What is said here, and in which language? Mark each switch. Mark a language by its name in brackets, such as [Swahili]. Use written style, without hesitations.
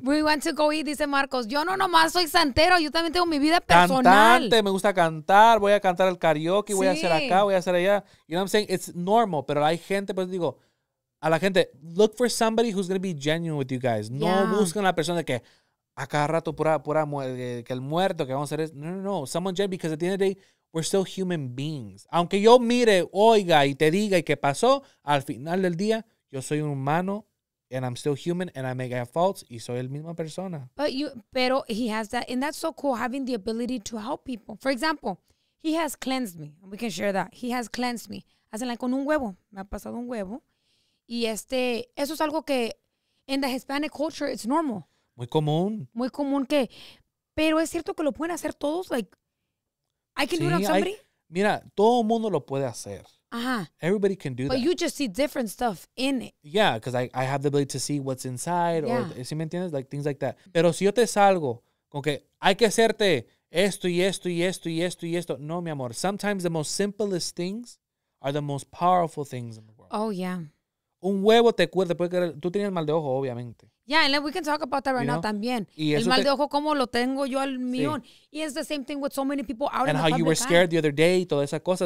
[English] We went to go eat, [Spanish] dice Marcos. Yo no nomás soy santero. Yo también tengo mi vida personal. Cantante. Me gusta cantar. Voy a cantar el karaoke. Sí. Voy a hacer acá. Voy a hacer allá. [English] You know what I'm saying? It's normal. [Spanish] Pero hay gente, pues digo, a la gente, [English] look for somebody who's going to be genuine with you guys. [Spanish] No busquen a la persona de que a cada rato pura que el muerto, que vamos a hacer eso. No. [English] Someone genuine, because at the end of the day, we're still human beings. [Spanish] Aunque yo mire, oiga y te diga y qué pasó, al final del día, yo soy un humano, [English] and I'm still human, and I make faults, [Spanish] y soy el mismo persona. Pero [English] he has that, and that's so cool, having the ability to help people. For example, he has cleansed me. We can share that. He has cleansed me. [Spanish] Hacen like con un huevo. Me ha pasado un huevo. Y eso es algo que, [English] in the Hispanic culture, it's normal. [Spanish] Muy común. Muy común que, pero es cierto que lo pueden hacer todos, [English] like, I can do it on somebody? [Spanish] Mira, todo mundo lo puede hacer. Ajá. [English] Everybody can do but that. But you just see different stuff in it. Yeah, because I have the ability to see what's inside. Yeah. Or, [Spanish] ¿sí me entiendes? [English] Like, things like that. [Spanish] Pero si yo te salgo, con que hay que hacerte esto y esto y esto y esto y esto. No, mi amor. [English] Sometimes the most simplest things are the most powerful things in the world. Oh, yeah. [Spanish] Un huevo te cuida. Puede quedar, tú tenías mal de ojo, obviamente. [English] Yeah, and then we can talk about that right now [Spanish] también. El mal de ojo, ¿cómo lo tengo yo al millón? Sí. [English] And it's the same thing with so many people out and in the how you were scared the other day, [Spanish] toda esa cosa.